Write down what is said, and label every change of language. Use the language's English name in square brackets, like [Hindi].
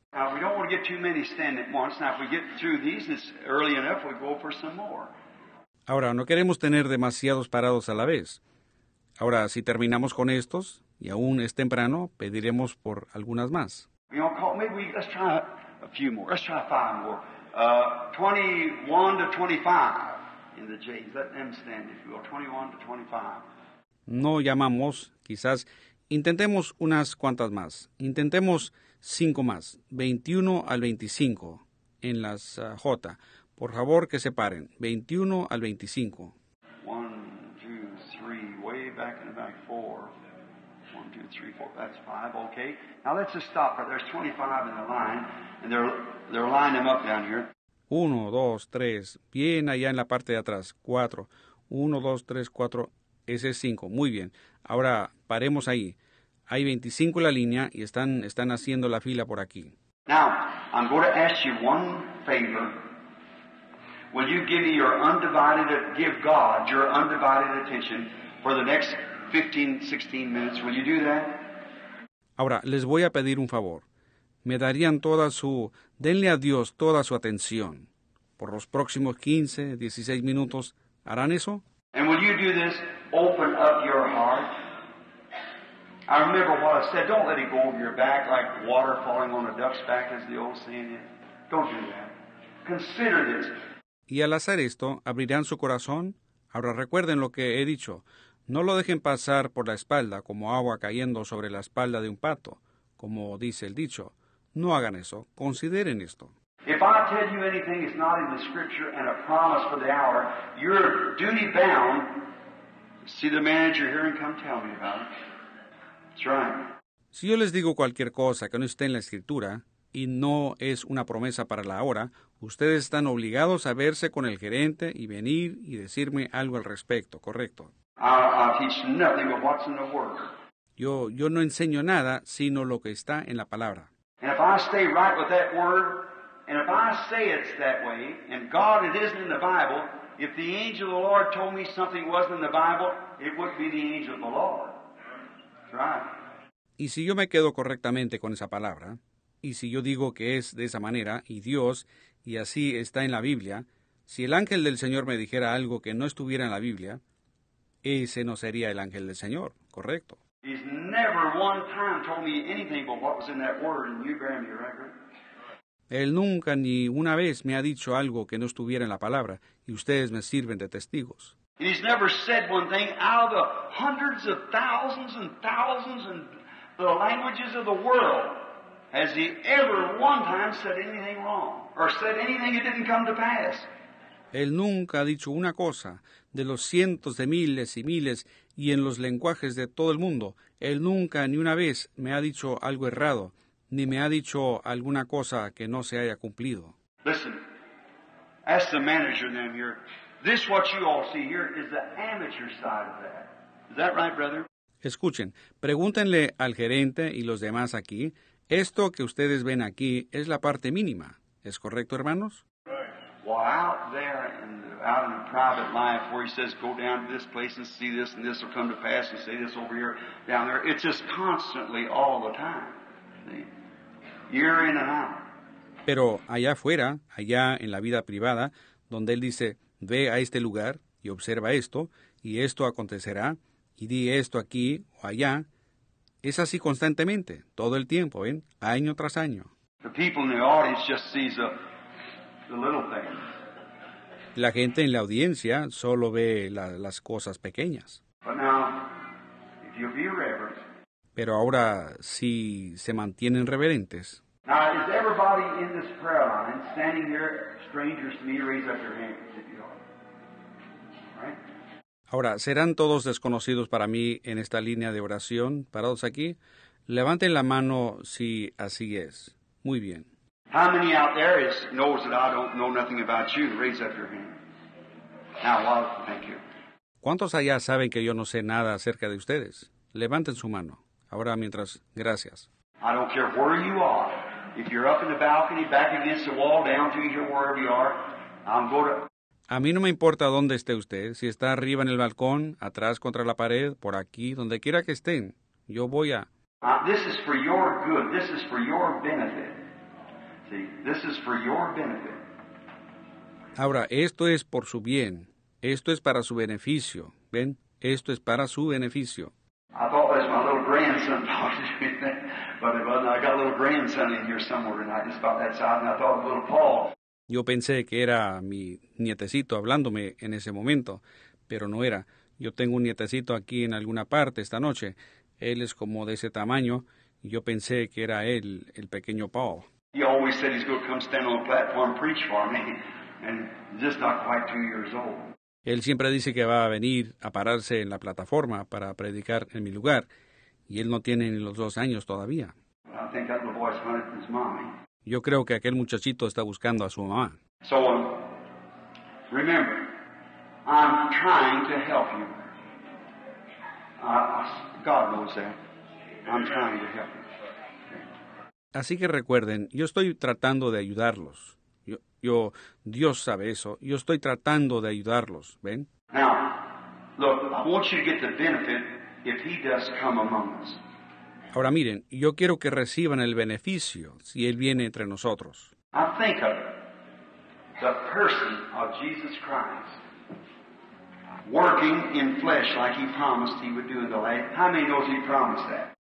[English] Now, we don't want to get too many standing at once. Now, if we get through these early enough, we go for some more. [Spanish] Ahora, no queremos tener demasiados parados a la vez. Ahora, si terminamos con estos, y aún es temprano, pediremos por algunas más. [English] You know, call, maybe we, let's try a few more. Let's try five more. 21 to 25 in the J's. Let them stand, if you will. 21 to 25. [Spanish] No llamamos, quizás. Intentemos unas cuantas más. Intentemos cinco más. 21 al 25 en las J. Por favor, que se paren. 21 al 25. [English] 1, 2, 3, way back in the back, 4. 1, 2, 3, 4, that's 5, okay. Now let's just stop. There's 25 in the line, and they're lining them up down here. [Spanish] 1, 2, 3, bien allá en la parte de atrás, 4. 1, 2, 3, 4, ese es 5. Muy bien. Ahora, paremos ahí. Hay 25 en la línea y están haciendo la fila por aquí. [English] Now, I'm going to ask you one favor. Will you give me your undivided, give God your undivided attention for the next 15, 16 minutes? Will you do that? [Spanish] Ahora, les voy a pedir un favor. Me darían toda su, denle a Dios toda su atención. Por los próximos 15, 16 minutos, ¿harán eso? [English] And will you do this? Open up your heart. I remember what I said, don't let it go over your back like water falling on a duck's back, as the old saying is. Don't do that. Consider this. [Spanish] Y al hacer esto, ¿abrirán su corazón? Ahora recuerden lo que he dicho. No lo dejen pasar por la espalda como agua cayendo sobre la espalda de un pato, como dice el dicho. No hagan eso. Consideren esto. [English] If I tell you anything is not in the scripture and a promise for the hour, you're duty bound. See the manager here and come tell me about it. That's right. [Spanish] Si yo les digo cualquier cosa que no esté en la escritura, y no es una promesa para la hora, ustedes están obligados a verse con el gerente y venir y decirme algo al respecto, ¿correcto? [English] I teach nothing but what's in the word. [Spanish] Yo no enseño nada sino lo que está en la palabra. [English] And if I stay right with that word, and if I say it's that way, and God, it isn't in the Bible, if the angel of the Lord told me something wasn't in the Bible, it wouldn't be the angel of the Lord. That's right. [Spanish] Y si yo me quedo correctamente con esa palabra, y si yo digo que es de esa manera, y Dios, y así está en la Biblia, si el ángel del Señor me dijera algo que no estuviera en la Biblia, ese no sería el ángel del Señor, ¿correcto? [English] He's never one time told me anything but what was in that word, and you bear me record. [Spanish] Él nunca ni una vez me ha dicho algo que no estuviera en la palabra, y ustedes me sirven de testigos. [English] He's never said one thing out of the hundreds of thousands and thousands and the languages of the world. Has he ever one time said anything wrong? Or said anything that didn't come to pass? [Spanish] Él nunca ha dicho una cosa de los cientos de miles y miles y en los lenguajes de todo el mundo. Él nunca ni una vez me ha dicho algo errado, ni me ha dicho alguna cosa que no se haya cumplido. [English] Listen, ask the manager down here. This what you all see here is the amateur side of that. Is that right, brother? [Spanish] Escuchen, pregúntenle al gerente y los demás aquí. Esto que ustedes ven aquí es la parte mínima. ¿Es correcto, hermanos? [English] Well, out there, out in the private life, where he says, go down to this place and see this, and this will come to pass, and say this over here, down there. It's just constantly, all the time. Year in and out. [Spanish] Pero allá afuera, allá en la vida privada, donde él dice, ve a este lugar y observa esto, y esto acontecerá, y di esto aquí o allá, es así constantemente, todo el tiempo, ¿ven? Año tras año. [English] The people in the audience just sees the little things. [Spanish] La gente en la audiencia solo ve las cosas pequeñas. [English] But now, if you be reverent, [Spanish] pero ahora, si se mantienen reverentes. [English] Now, is everybody in this prayer line standing here, strangers to me, raise up your hands if you are. [Spanish] Ahora, ¿serán todos desconocidos para mí en esta línea de oración, parados aquí? Levanten la mano si así es. Muy bien. [English] How many out there is, knows that I don't know nothing about you? Raise up your hand. Now, well, thank you. [Spanish] ¿Cuántos allá saben que yo no sé nada acerca de ustedes? Levanten su mano. Ahora, mientras, gracias. [English] I don't care where you are. If you're up in the balcony, back against the wall, down to here, wherever you are, I'm going to... [Spanish] A mí no me importa dónde esté usted, si está arriba en el balcón, atrás contra la pared, por aquí, donde quiera que estén, yo voy a... [English] This is for your good, this is for your benefit. See, this is for your benefit. [Spanish] Ahora, esto es por su bien, esto es para su beneficio, ¿ven? Esto es para su beneficio. [English] I thought that was my little grandson talking to me, but it wasn't. I got a little grandson in here somewhere tonight, just about that side, and I thought of little Paul. [Spanish] Yo pensé que era mi nietecito hablándome en ese momento, pero no era. Yo tengo un nietecito aquí en alguna parte esta noche. Él es como de ese tamaño. Yo pensé que era él, el pequeño Paul. [English] He always said he's going to come stand on the platform, preach for me, and just not quite 2 years old. [Spanish] Él siempre dice que va a venir a pararse en la plataforma para predicar en mi lugar, y él no tiene ni los 2 años todavía. [English] I think that little boy's hunting his mommy. [Spanish] Yo creo que aquel muchachito está buscando a su mamá. [English] So, remember, I'm trying to help you. God knows that. I'm trying to help you. [Spanish] Así que recuerden, yo estoy tratando de ayudarlos. Dios sabe eso. Yo estoy tratando de ayudarlos, ¿ven? [English] Now, look, I want you to get the benefit if he does come among us. [Spanish] Ahora miren, yo quiero que reciban el beneficio si Él viene entre nosotros. [English] I think of the person of Jesus Christ working in flesh like He promised He would do in the land. How many knows He promised that?